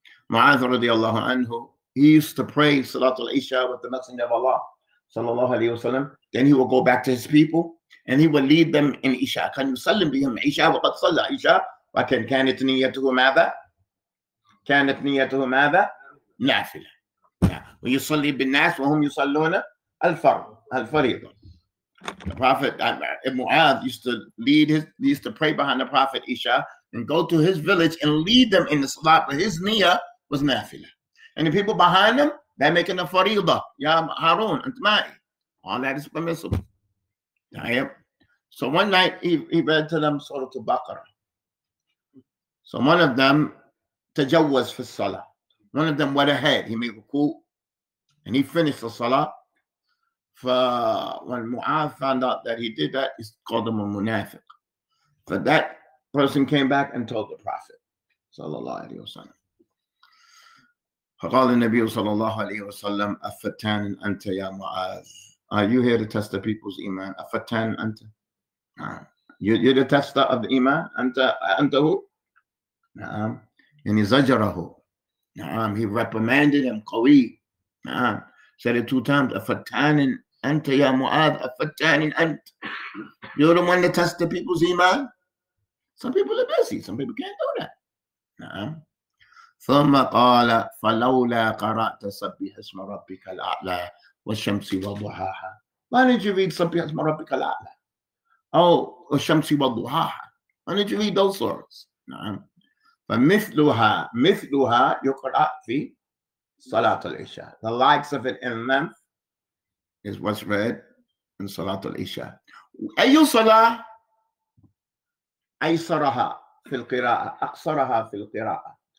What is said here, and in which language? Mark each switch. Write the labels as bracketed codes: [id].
[ar] معاذ رضي الله عنه [en] he used to pray [ar] صلاة العشاء [en] with the messenger of Allah [ar] صلى الله عليه وسلم then he would go back to his people and he would lead them in عشاء كان يسلم بهم عشاء وقد صلى عشاء وكان كانت نيته ماذا؟ كانت نيته ماذا؟ نافلة ويصلي بالناس وهم يصلون الفريضة. [en] The Prophet Mu'adh used to lead his, used to pray behind the Prophet Isha and go to his village and lead them in the salat, but his niyyah was nafila. And the people behind him, they're making a faridah. Ya Harun, Antma'i. All that is permissible. So one night he read to them Surah Al-Baqarah. So one of them, tajawwaz fi salah. One of them went ahead. He made ruku and he finished the salah. When Mu'adh found out that he did that, he called him a munafiq. But that person came back and told the Prophet, sallallahu alayhi wa sallam. [ar] فقال النبي صلى الله عليه وسلم, أفتان أنت يا Mu'adh. [en] Are you here to test the people's iman? [ar] أفتان أنت? [en] You're the tester of the iman? [ar] أنت [en] who? [ar] نعم. [en] And he [ar] زجره. نعم. [en] He reprimanded him, [ar] قوي. نعم. [en] Said it two times, [ar] أفتان أنت يا معاذ أفتاني أنت. [en] You're the one to test the people's iman. Some people are busy. Some people can't do that. [ar] نعم. ثم قال فلولا قرأت سبح اسم ربك الأعلى والشمس وضحاها. [en] Why did you read [ar] سبح اسم ربك الأعلى? [en] Oh, [ar] والشمس وضحاها. [en] Why did you read those words? [ar] نعم. فمثلها يقرأ في صلاة العشاء. [en] The likes of it in them. Is what's read in Salat al-Isha. [ar] أي صلاة أيسرها في القراءة أقصرها في القراءة.